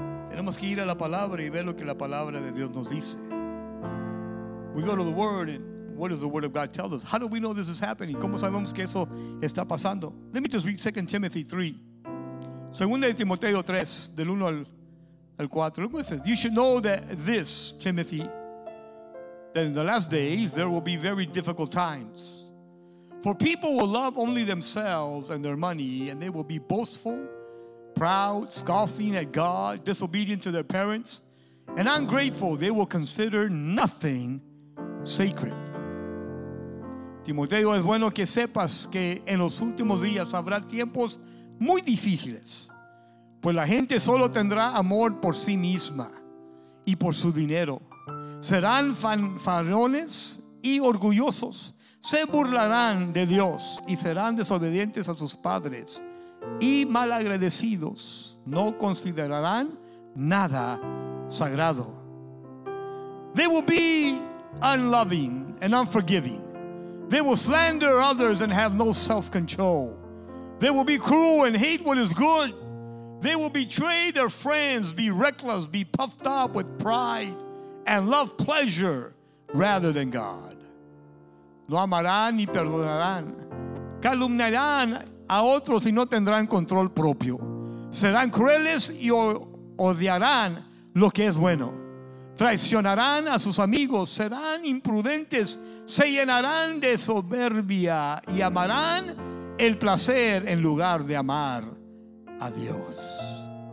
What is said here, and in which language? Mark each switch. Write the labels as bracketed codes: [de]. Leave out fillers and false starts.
[es] Tenemos que ir a la palabra y ver lo que la palabra de Dios nos dice. [en] We go to the word and what does the word of God tell us? How do we know this is happening? [es] ¿Cómo sabemos que eso está pasando? [en] Let me just read 2 Timothy 3. [es] 2 Timoteo 3, del 1 al 4. [en] Look what it says. You should know that this, Timothy, that in the last days there will be very difficult times. For people will love only themselves and their money, and they will be boastful, proud, scoffing at God, disobedient to their parents, and ungrateful. They will consider nothing sacred. [es] Timoteo, es bueno que sepas que en los últimos días habrá tiempos muy difíciles, pues la gente solo tendrá amor por sí misma y por su dinero. Serán fanfarrones y orgullosos, se burlarán de Dios y serán desobedientes a sus padres y malagradecidos, no considerarán nada sagrado. [en] They will be unloving and unforgiving. They will slander others and have no self-control. They will be cruel and hate what is good. They will betray their friends, be reckless, be puffed up with pride, and love pleasure rather than God. [es] No amarán ni perdonarán. Calumniarán a otros y no tendrán control propio. Serán crueles y odiarán lo que es bueno. Traicionarán a sus amigos, serán imprudentes, se llenarán de soberbia y amarán el placer en lugar de amar a Dios.